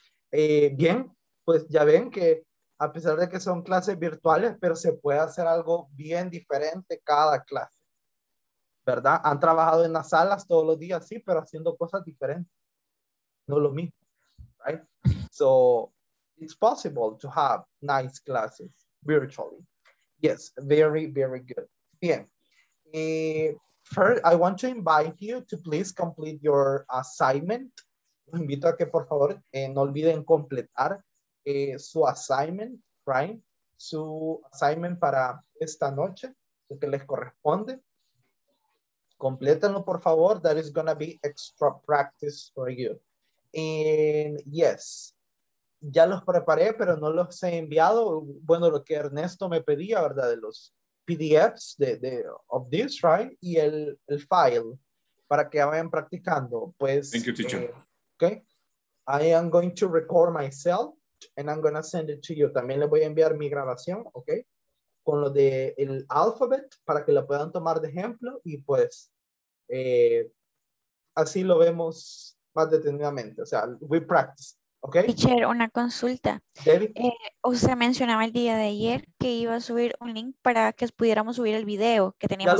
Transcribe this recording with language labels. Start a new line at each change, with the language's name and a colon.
Spanish: Bien, pues ya ven que a pesar de que son clases virtuales, pero se puede hacer algo bien diferente cada clase. ¿Verdad? Han trabajado en las salas todos los días, sí, pero haciendo cosas diferentes. No lo mismo.
English: Right? So, it's possible to have nice classes virtually. Yes, very, very good.
Spanish: Bien.
English: First, I want to invite you to please complete your assignment.
Spanish: Los invito a que, por favor, no olviden completar su assignment, right? Su assignment para esta noche, lo que les corresponde. Complétenlo, por favor.
English: That is going to be extra practice for you. And yes,
Spanish: ya los preparé, pero no los he enviado. Bueno, lo que Ernesto me pedía, ¿verdad? De los PDFs de
English: of this, right?
Spanish: Y el file para que vayan practicando. Pues,
English: thank you, teacher. Okay. I am going to record myself and I'm going to send it to you.
Spanish: También les voy a enviar mi grabación, okay? Con lo del alphabet para que lo puedan tomar de ejemplo y pues así lo vemos más detenidamente. O sea,
English: we practice, okay?
Spanish: Teacher, una consulta. Usted mencionaba el día de ayer que iba a subir un link para que pudiéramos subir el video que teníamos.